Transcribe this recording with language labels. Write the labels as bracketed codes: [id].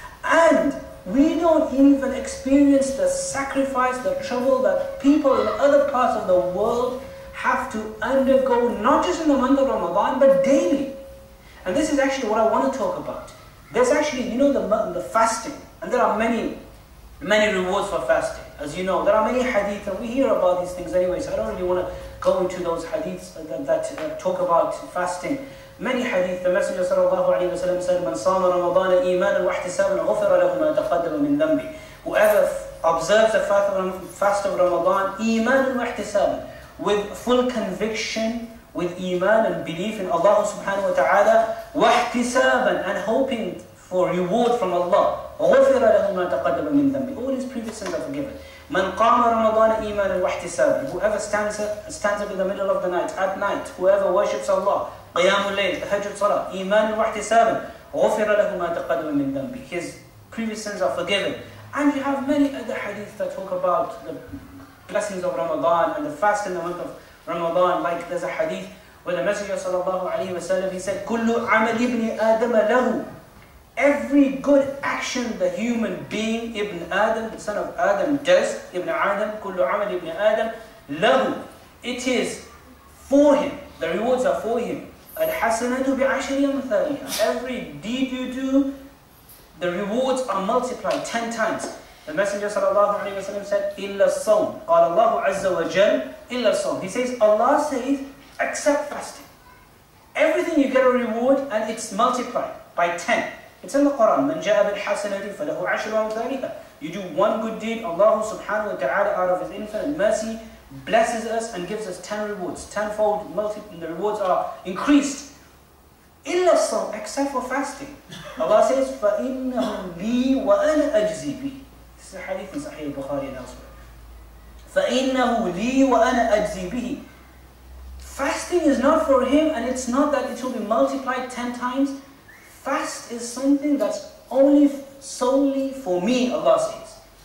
[en] And we don't even experience the sacrifice, the trouble that people in other parts of the world have to undergo, not just in the month of Ramadan, but daily. And this is actually what I want to talk about. There's actually, you know, the fasting, and there are many, many rewards for fasting. As you know, there are many hadith, and we hear about these things anyway, so I don't really want to go into those hadiths that talk about fasting. Many hadith, the Messenger sallallahu alayhi wa sallam said, [ar] من صام رمضان إيمانا واحتسابا غفر له ما تقدم من ذنبه. [en] Whoever observes the fast of Ramadan, [ar] إيمانا واحتسابا, [en] with full conviction, with iman and belief in Allah subhanahu wa ta'ala, واحتسابا, and hoping for reward from Allah, [ar] غفر له ما تقدم من ذنبه. [en] All his previous sins are forgiven. [ar] من قام رمضان إيمانا واحتسابا, [en] whoever stands up in the middle of the night, at night, whoever worships Allah, [ar] قيام الليل, تهجد صلاة, إيمان واحتسابا, غفر له ما تقدم من ذنبه. [en] His previous sins are forgiven. And you have many other hadith that talk about the blessings of Ramadan and the fast in the month of Ramadan. Like there's a hadith where the Messenger sallallahu alayhi wa sallam, he said, [ar] كل عمل ابن آدم له. [en] Every good action the human being, Ibn Adam, the son of Adam, does, Ibn Adam, [ar] كل عمل ابن آدم له. [en] It is for him. The rewards are for him. [ar] الحسنات بعشر أمثالها. [en] Every deed you do, the rewards are multiplied 10 times. The Messenger sallallahu alayhi wa sallam said, [ar] إِلَّا الصَّوْمِ قَالَ اللَّهُ عَزَّ وَجَلَّ إِلَّا الصَّوْمِ. [en] He says, Allah says, except fasting. Everything you get a reward and it's multiplied by 10. It's in the Quran. [ar] مَنْ جَاءَ بِالْحَسَنَةِ فَلَهُ عَشْرُ أَمْثَالِهَا. [en] You do one good deed, Allah subhanahu wa ta'ala, out of His infinite mercy, blesses us and gives us 10 rewards. Tenfold, the rewards are increased. [ar] إلا الصوم, [en] except for fasting. Allah says, [ar] فَإِنَّهُ لِي وَأَنَا أَجْزِي بِهِ. [en] This is a hadith in Sahih al-Bukhari and elsewhere. [ar] فَإِنَّهُ لِي وَأَنَا أَجْزِي بِهِ. [en] Fasting is not for him, and it's not that it will be multiplied 10 times. Fast is something that's only solely for me, Allah says.